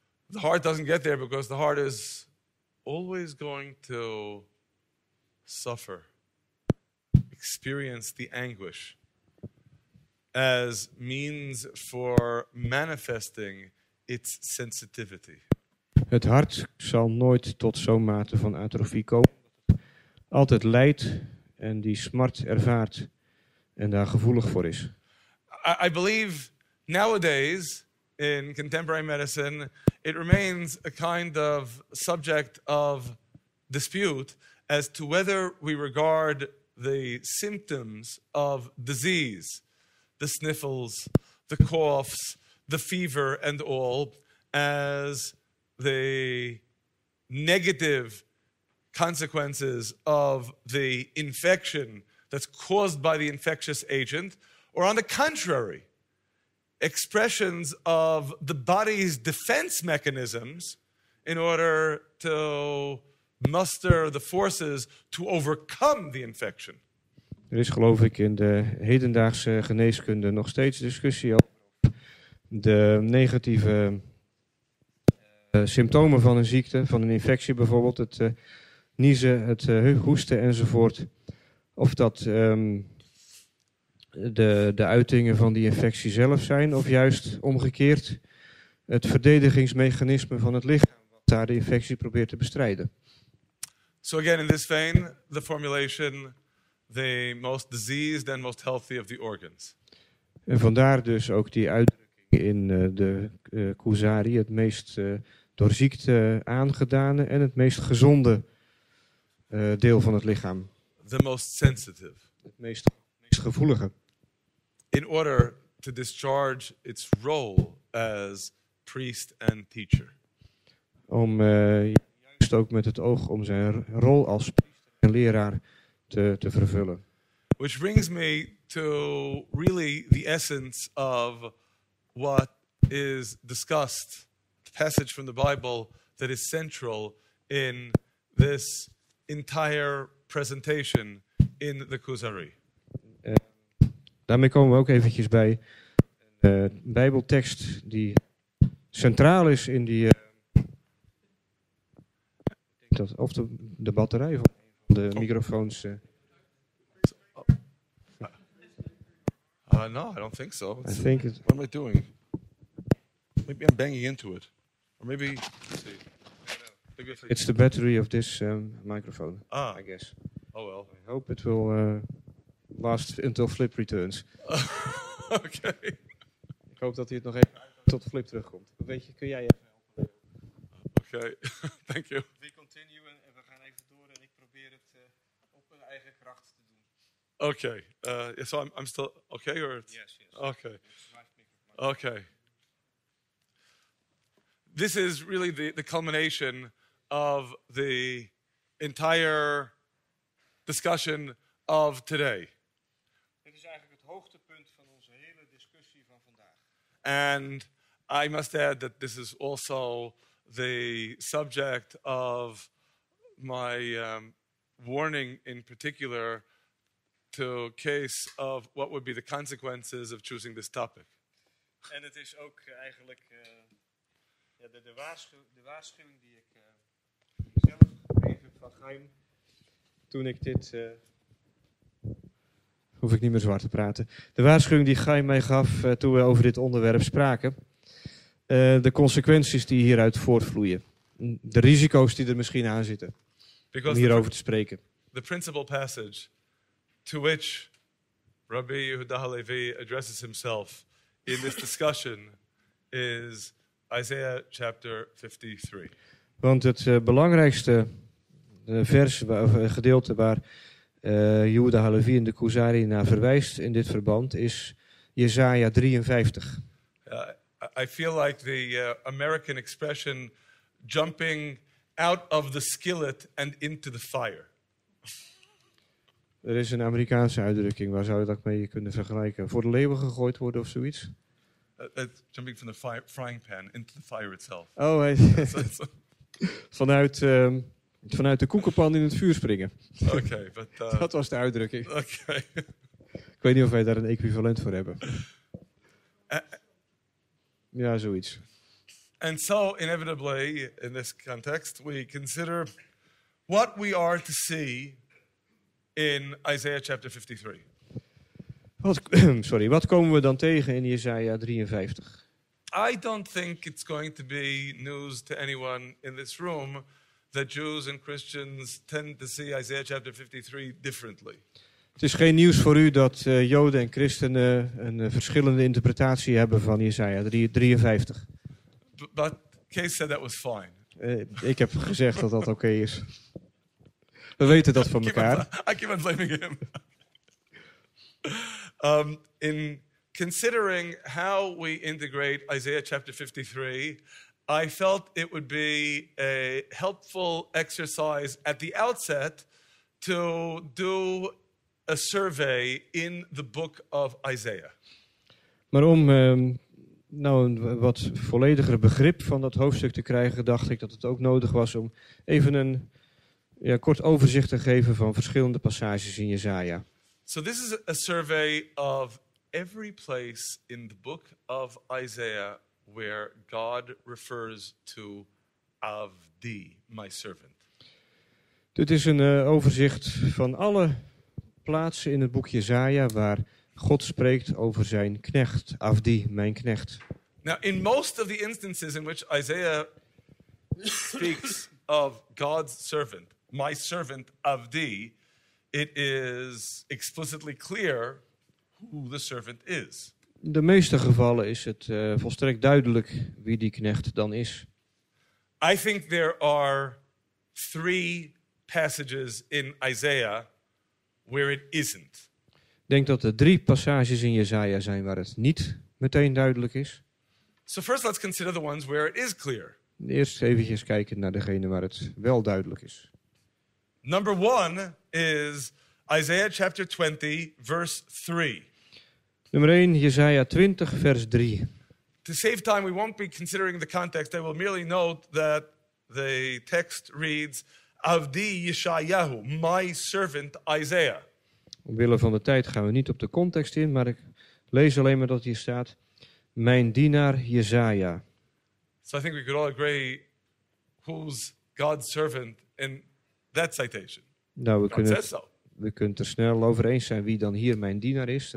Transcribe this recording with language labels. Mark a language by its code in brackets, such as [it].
[en] The heart doesn't get there because the heart is always going to suffer, experience the anguish as means for manifesting its sensitivity. [nl] Het hart zal nooit tot zo'n mate van atrofie komen. Altijd lijdt en die smart ervaart en daar gevoelig voor is. [en] I believe nowadays in contemporary medicine it remains a kind of subject of dispute as to whether we regard the symptoms of disease, the sniffles, the coughs, the fever and all, as the negative consequences of the infection that's caused by the infectious agent, or on the contrary, expressions of the body's defense mechanisms in order to muster the forces to overcome the infection. [nl] Er is, geloof ik, in de hedendaagse geneeskunde nog steeds discussie over de negatieve symptomen van een ziekte, van een infectie bijvoorbeeld, het niezen, het hoesten enzovoort, of dat de uitingen van die infectie zelf zijn, of juist omgekeerd het verdedigingsmechanisme van het lichaam wat daar de infectie probeert te bestrijden. [en] So again in this vein, the formulation, the most diseased and most healthy of the organs. [nl] En vandaar dus ook die uitdrukking in de Kuzari, het meest door ziekte aangedane en het meest gezonde deel van het lichaam. [en] The most sensitive. [nl] Het meest gevoelige. [en] In order to discharge its role as priest and teacher. [nl] Om juist ook met het oog om zijn rol als priester en leraar te vervullen. [en] Which brings me to really the essence of what is discussed, the passage from the Bible that is central in this entire presentation in the Kuzari. [nl] Daarmee komen we ook eventjes bij een Bijbeltekst die centraal is in die of de batterij van de microfoons. [en] No, I don't think so. I think it's, what am I doing? Maybe I'm banging into it. Or maybe, let's see. It's the battery of this microphone, I guess. Oh well. I hope it will last until Flip returns. Okay. [nl] Ik hoop dat hij het nog even tot Flip terugkomt. Weet je, kun jij even helpen? [en] Okay, thank you. We continue [nl] en we gaan even door en ik probeer het op mijn eigen kracht te doen. [en] Okay, so I'm still okay or? Yes, yes. Okay. Okay. This is really the culmination of the entire discussion of today. [nl] Het is eigenlijk het hoogtepunt van onze hele discussie van vandaag. [en] And I must add that this is also the subject of my warning in particular to case of what would be the consequences of choosing this topic. [nl] En het is ook eigenlijk de waarschuwing die ik zelf gegeven van Gein toen ik dit hoef ik niet meer zwart te praten. De waarschuwing die Gein mij gaf toen we over dit onderwerp spraken de consequenties die hieruit voortvloeien. De risico's die er misschien aan zitten. Om hierover te spreken. [en] The principal passage to which Rabbi Yehuda HaLevi addresses himself in this discussion is Isaiah chapter 53. [nl] Want het belangrijkste vers of gedeelte waar Yehuda HaLevi in de Kuzari naar verwijst in dit verband is Jesaja 53. [en] I feel like the American expression jumping out of the skillet and into the fire. [nl] Er is een Amerikaanse uitdrukking, waar zou je dat mee kunnen vergelijken? Voor de leeuwen gegooid worden of zoiets? [en] Jumping from the frying pan into the fire itself. Oh, hey. [nl] vanuit de koekenpan in het vuur springen. [en] Okay, but, [nl] dat was de uitdrukking. [en] Okay. [nl] Ik weet niet of wij daar een equivalent voor hebben. Ja, zoiets. [en] And so, inevitably, in this context, we consider what we are to see in Isaiah chapter 53. [nl] Wat komen we dan tegen in Jesaja 53? [en] I don't think it's going to be news to anyone in this room that Jews and Christians tend to see Isaiah chapter 53 differently. [nl] Het is geen nieuws voor u dat Joden en Christenen een verschillende interpretatie hebben van Jesaja 53. [en] But Kees said that was fine. [nl] Ik heb gezegd dat dat oké is. We weten dat van elkaar. [en] I keep on blaming him. In considering how we integrate Isaiah chapter 53, I felt it would be a helpful exercise at the outset to do a survey in the book of Isaiah. [nl] Maar om nou een wat vollediger begrip van dat hoofdstuk te krijgen, dacht ik dat het ook nodig was om even een kort overzicht te geven van verschillende passages in Jesaja. [en] So this is a survey of every place in the book of Isaiah where God refers to Avdi, my servant. [nl] Dit is een overzicht van alle plaatsen in het boek Jesaja waar God spreekt over zijn knecht, Avdi, mijn knecht. [en] Now, in most of the instances in which Isaiah speaks of God's servant, my servant Avdi, it is explicitly clear who the servant is. [nl] In de meeste gevallen is het volstrekt duidelijk wie die knecht dan is. [en] I think there are three passages in Isaiah where it isn't. [nl] Ik denk dat er drie passages in Jesaja zijn waar het niet meteen duidelijk is. [en] So first let's consider the ones where it is clear. [nl] Eerst eventjes kijken naar degene waar het wel duidelijk is. [en] Number one is Isaiah chapter 20, verse 3. [nl] Nummer 1, Jesaja 20, vers 3. [en] To save time, we won't be considering the context. I will merely note that the text reads, Avdi Yeshayahu, my servant Isaiah. [nl] Omwille van de tijd gaan we niet op de context in, maar ik lees alleen maar dat hier staat, mijn dienaar Jesaja. [en] So I think we could all agree who's God's servant in that citation. [nl] Nou, we kunnen er snel over eens zijn wie dan hier mijn dienaar is.